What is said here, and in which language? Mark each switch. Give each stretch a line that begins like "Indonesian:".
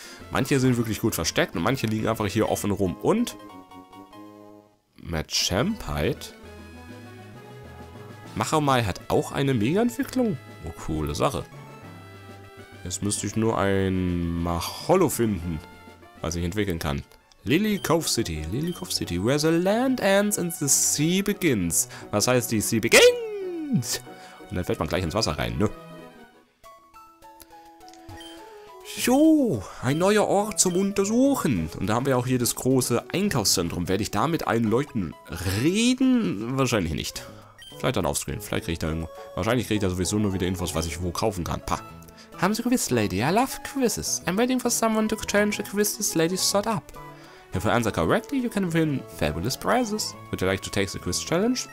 German: Manche sind wirklich gut versteckt und manche liegen einfach hier offen rum. Und Machampite? Machamai hat auch eine Mega-Entwicklung? Oh, coole Sache. Jetzt müsste ich nur ein Macholo finden, was ich entwickeln kann.
English: Lily Cove City, where the land ends and the sea begins.
German: Was heißt die
English: Sea begins?
German: Und dann fällt man gleich ins Wasser rein, ne? So, ein neuer Ort zum Untersuchen. Und da haben wir auch hier das große Einkaufszentrum. Werde ich da mit allen Leuten reden? Wahrscheinlich nicht. Vielleicht dann aufscreen. Wahrscheinlich kriege ich da sowieso nur wieder Infos, was ich wo kaufen kann. Pa. Haben Sie gewiss, Lady?
English: I love quizzes. I'm waiting for someone to change a quiz this lady's set up. If you answer correctly, you can win fabulous prizes. Would you like to take the quiz challenge?